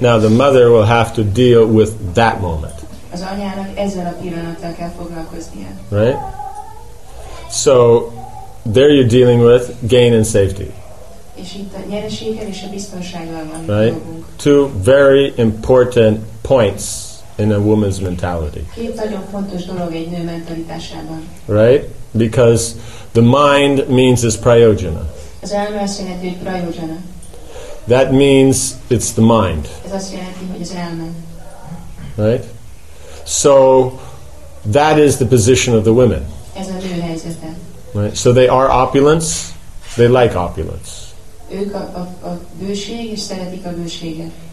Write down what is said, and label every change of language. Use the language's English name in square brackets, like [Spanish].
[English] Now the mother will have to deal with that moment. [Hungarian] Az anyának ezzel a pillanattal kell foglalkoznia. [English] Right? So there you're dealing with gain and safety. [Hungarian] És itt a nyereséggel és a biztonsággal van dolgunk. [English] Right? Two very important points in a woman's mentality. [Hungarian] Két nagyon fontos dolog egy nő mentalitásában. [English] Right? Because the mind means its prayojana. [Hungarian] Az elme azt jelenti, hogy prajojana. [English] That means it's the mind. [Hungarian] Ez azt jelenti, hogy az elme. [English] Right? So that is the position of the women. [Hungarian] Ez a nő helyzete. [English] Right? So they are opulence. They like opulence. [Hungarian] Ők a bőség, és szeretik a bőséget.